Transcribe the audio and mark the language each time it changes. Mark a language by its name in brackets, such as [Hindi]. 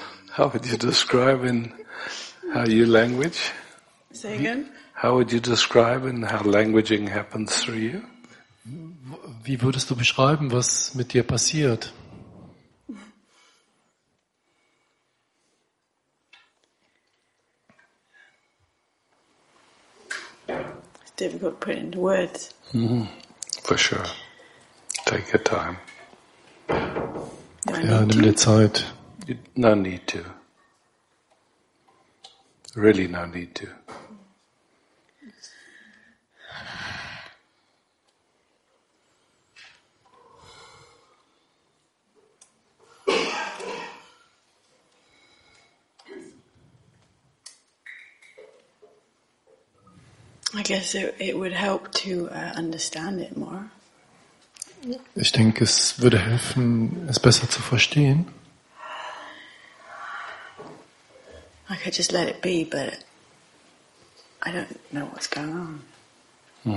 [English] How would you describe in how your language? Say again. How would you describe in how languaging happens through you? [German] Wie würdest du beschreiben, was mit dir passiert? [English] It's difficult to put it into words. For sure. Take your time. [German] Ja, nimm dir Zeit. [English] No need to. Really no need to. I guess it would help to understand it more. [German] Ich denke, es würde helfen, es besser zu verstehen. [English] I could just let it be, but I don't know what's going on.